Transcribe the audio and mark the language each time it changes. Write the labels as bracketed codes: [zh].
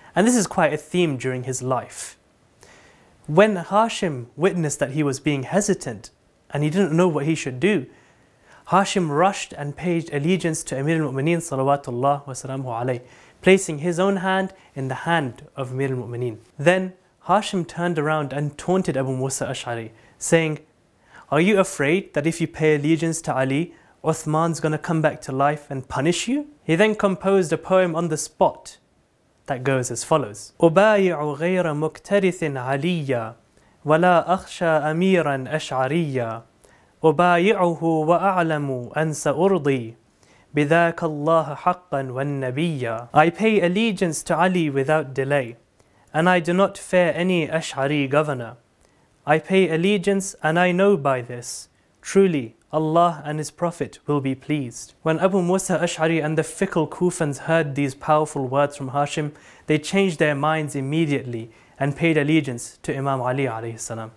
[en] And this is quite a theme during his life. When Hashim witnessed that he was being hesitant and he didn't know what he should do, Hashim rushed and paid allegiance to Amir al-Mu'mineen salawatullah wa salamuhu alayhi, placing his own hand in the hand of Amir al-Mu'mineen. Then Hashim turned around and taunted Abu Musa al-Ash'ari, saying, "Are you afraid that if you pay allegiance to Ali, Uthman's gonna come back to life and punish you?" He then composed a poem on the spot that goes as follows. [ar] أُبَايِعُ غَيْرَ مُكْتَرِثٍ عَلِيَّا وَلَا أَخْشَى أَمِيرًا أَشْعَرِيَّا أُبَايِعُهُ وَأَعْلَمُ أَنْ سَأُرْضِي بِذَاكَ اللَّهَ حَقًّا وَالنَّبِيَّا. [en] I pay allegiance to Ali without delay, and I do not fear any Ash'ari governor. I pay allegiance and I know by this, truly Allah and His Prophet will be pleased. When Abu Musa al-Ash'ari and the fickle Kufans heard these powerful words from Hashim, they changed their minds immediately and paid allegiance to Imam Ali alayhi salam.